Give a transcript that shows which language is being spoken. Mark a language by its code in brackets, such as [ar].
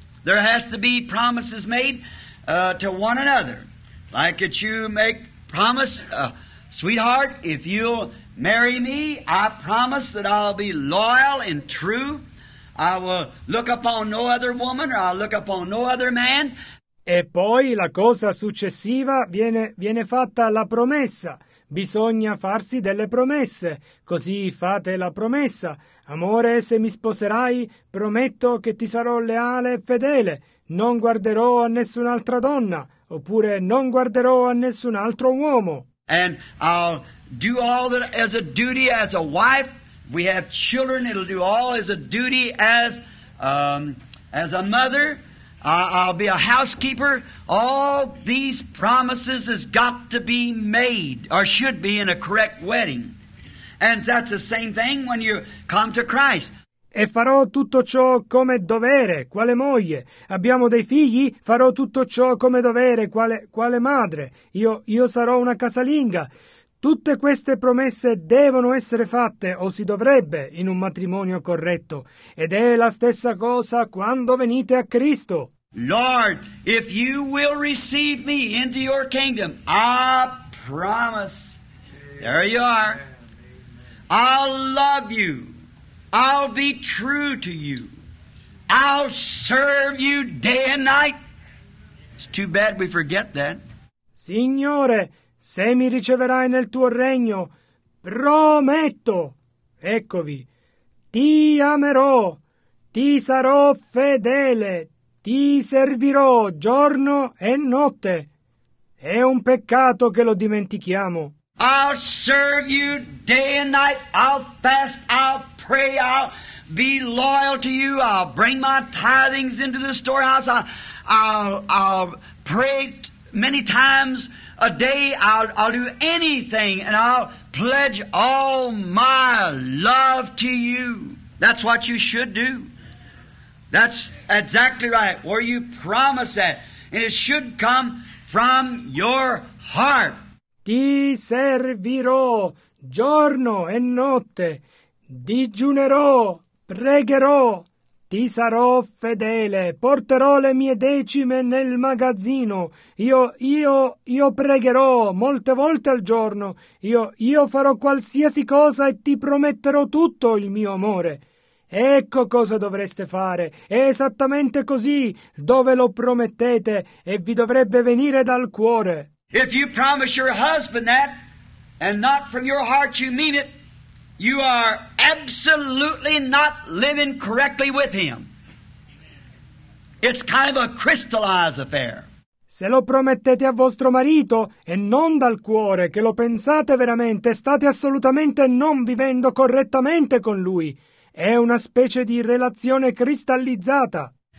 [en] There has to be promises made to one another. Like that you make promise, sweetheart, if you'll marry me, I promise that I'll be loyal and true. I will look upon no other woman or I'll look upon no other man. [it] E poi la cosa successiva viene fatta la promessa. Bisogna farsi delle promesse, così fate la promessa. Amore, se mi sposerai, prometto che ti sarò leale e fedele. Non guarderò a nessun'altra donna, oppure non guarderò a nessun altro uomo. [en] And I'll do all that as a duty as a wife. We have children, it'll do all as a duty as a mother. I'll be a housekeeper. All these promises has got to be made, or should be, in a correct wedding. And that's the same thing when you come to Christ. [it] E farò tutto ciò come dovere, quale moglie. Abbiamo dei figli, farò tutto ciò come dovere, quale madre. Io sarò una casalinga. Tutte queste promesse devono essere fatte, o si dovrebbe, in un matrimonio corretto. Ed è la stessa cosa quando venite a Cristo. [en] Lord, if you will receive me into your kingdom, I promise, there you are, I'll love you, I'll be true to you, I'll serve you day and night. It's too bad we forget that. [it] Signore, se mi riceverai nel tuo regno, prometto, eccovi, ti amerò, ti sarò fedele, ti servirò giorno e notte. È un peccato che lo dimentichiamo. [en] I'll serve you day and night, I'll fast, I'll pray, I'll be loyal to you, I'll bring my tithings into the storehouse, I'll pray many times a day, I'll do anything, and I'll pledge all my love to you. That's what you should do. That's exactly right, where you promise that. And it should come from your heart. [it] Ti servirò giorno e notte. Digiunerò, pregherò. Ti sarò fedele, porterò le mie decime nel magazzino. Io pregherò molte volte al giorno. Io farò qualsiasi cosa e ti prometterò tutto il mio amore. Ecco cosa dovreste fare. È esattamente così, dove lo promettete, e vi dovrebbe venire dal cuore. [en] If you promise your husband that, and not from your heart you mean it, you are absolutely not living correctly with him. It's kind of a crystallized affair. [it] Se lo promettete a vostro marito, e non dal cuore, che lo pensate veramente, state assolutamente non vivendo correttamente con lui. È una specie di relazione cristallizzata.